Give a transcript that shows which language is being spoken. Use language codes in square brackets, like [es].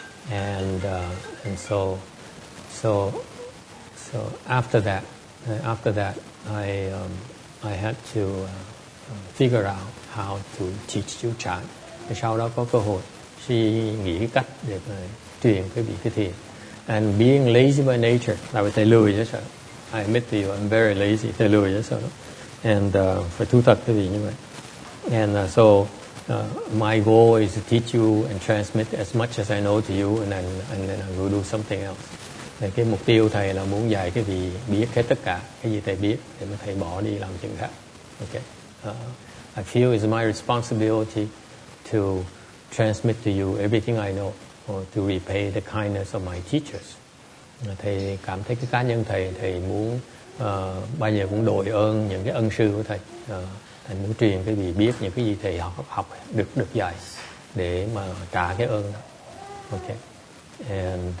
[en] And so after that I had to figure out how to teach you chant. [vi] Thì sau đó có cơ hội suy nghĩ cách để truyền cái vị cái thiền. [en] And being lazy by nature, [vi] là vì thầy lười chứ. [en] I admit to you, I'm very lazy, [vi] thầy lười chứ. And phải thú thật cái gì như vậy. [en] And so my goal is to teach you and transmit as much as I know to you, and then I will do something else. [vi] Thì cái mục tiêu thầy là muốn dạy cái gì biết hết tất cả, cái gì thầy biết để mà thầy bỏ đi làm chuyện khác. [en] Okay. I feel it's my responsibility to transmit to you everything I know, or to repay the kindness of my teachers. [vi] Thầy cảm thấy cái cá nhân thầy muốn bao giờ cũng đội ơn những cái ân sư của thầy. Thầy muốn truyền cái gì biết những cái gì thầy học được dạy để mà trả cái ơn đó. [en] Okay.